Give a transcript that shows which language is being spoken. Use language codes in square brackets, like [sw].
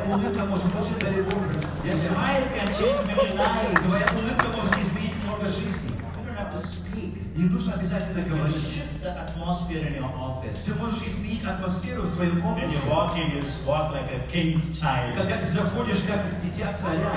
[ru] Твоя улыбка может очень далеко. [en] Your smile can change many lives. [ru] Твоя улыбка может изменить много жизней. [en] You don't have to speak. [ru] Не нужно обязательно говорить. [en] You shift the atmosphere in your office. [ru] Ты можешь изменить атмосферу в своем офисе. [en] When you walk in, you walk like a king's child. [ru] Когда ты заходишь как дитя царя.